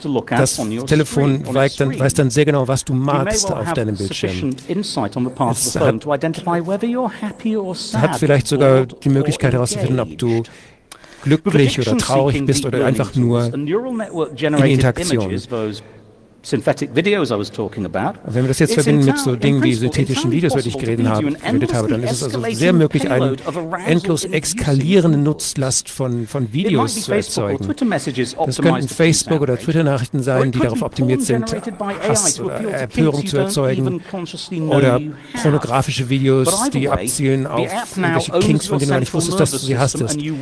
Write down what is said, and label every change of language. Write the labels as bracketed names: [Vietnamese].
[German] Das Telefon weiß dann sehr genau, was du magst auf deinem Bildschirm. Es hat vielleicht sogar die Möglichkeit herauszufinden, ob du glücklich oder traurig bist oder einfach nur in Interaktion. [English] Synthetic videos I was talking about. [German] Wenn wir das jetzt verbinden mit so Dingen wie synthetischen Videos, über die ich geredet habe, dann ist es also sehr möglich, eine endlos eskalierende Nutzlast von Videos zu erzeugen. Das könnten Facebook- oder Twitter-Nachrichten sein, die darauf optimiert sind, Hass oder Empörung zu erzeugen, oder pornografische Videos, die abzielen auf irgendwelche Kinks, von denen du nicht wusstest, dass du sie hasstest.